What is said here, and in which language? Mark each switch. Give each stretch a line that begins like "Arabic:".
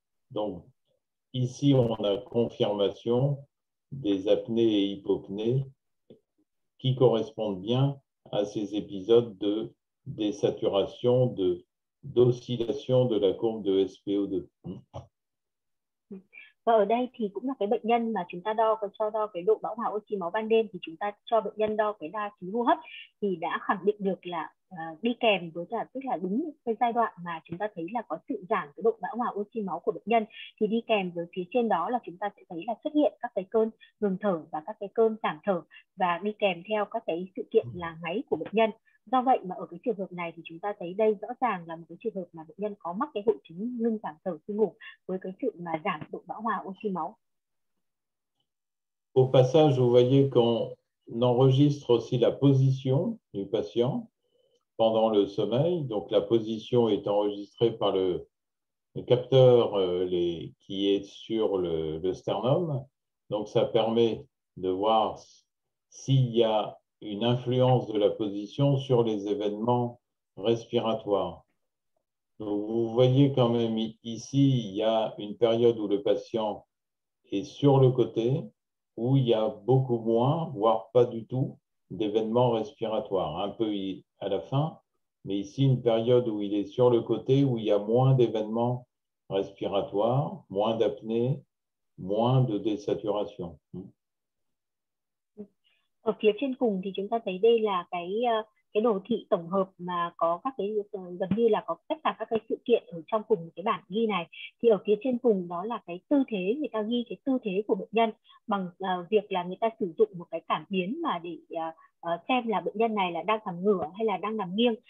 French: Donc ici, on a confirmation des apnées et hypopnées qui correspondent bien à ces épisodes de désaturation, d'oscillation de la courbe de SpO2.
Vietnamese: Và ở đây thì cũng là cái bệnh nhân mà chúng ta cho đo cái độ bão hòa oxy máu ban đêm, thì chúng ta cho bệnh nhân đo cái đa ký hô hấp thì đã khẳng định được là đi kèm với cả, tức là đúng cái giai đoạn mà chúng ta thấy là có sự giảm cái độ bão hòa oxy máu của bệnh nhân, thì đi kèm với phía trên đó là chúng ta sẽ thấy là xuất hiện các cái cơn ngừng thở và các cái cơn giảm thở, và đi kèm theo các cái sự kiện là ngáy của bệnh nhân. Do vậy mà ở cái trường hợp này thì chúng ta thấy đây rõ ràng là một cái trường hợp mà bệnh nhân có mắc cái hội chứng ngưng giảm thở khi ngủ với cái sự mà giảm độ bão hòa oxy máu.
French: Au passage, vous voyez qu'on enregistre aussi la position du patient pendant le sommeil. Donc la position est enregistrée par le capteur qui est sur le sternum. Donc ça permet de voir s'il y a une influence de la position sur les événements respiratoires. Donc, vous voyez quand même ici, il y a une période où le patient est sur le côté, où il y a beaucoup moins, voire pas du tout, d'événements respiratoires. Un peu à la fin, mais ici, une période où il est sur le côté, où il y a moins d'événements respiratoires, moins d'apnée, moins de désaturation.
Vietnamese: Ở phía trên cùng thì chúng ta thấy đây là cái đồ thị tổng hợp mà có các cái gần như là có tất cả các cái sự kiện ở trong cùng cái bản ghi này. Thì ở phía trên cùng đó là cái tư thế, người ta ghi cái tư thế của bệnh nhân bằng việc là người ta sử dụng một cái cảm biến mà để xem là bệnh nhân này là đang nằm ngửa hay là đang nằm nghiêng.